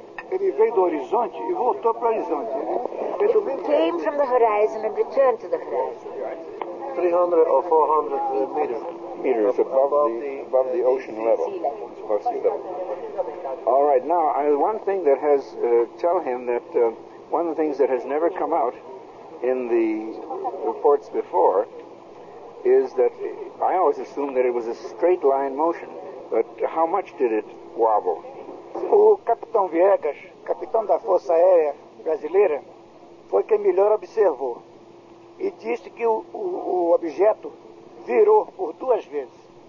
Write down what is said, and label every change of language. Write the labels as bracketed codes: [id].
[pt] Ele veio do horizonte e voltou para o horizonte. [en] It came from the horizon and returned to the horizon. 300 or 400 meters above the ocean level. Sea level. All right, now, one thing that has, tell him that one of the things that has never come out in the reports before is that I always assumed that it was a straight line motion, but how much did it wobble? [pt] O capitão Viegas, capitão da Força Aérea Brasileira, foi quem melhor observou e disse que o objeto virou por duas vezes.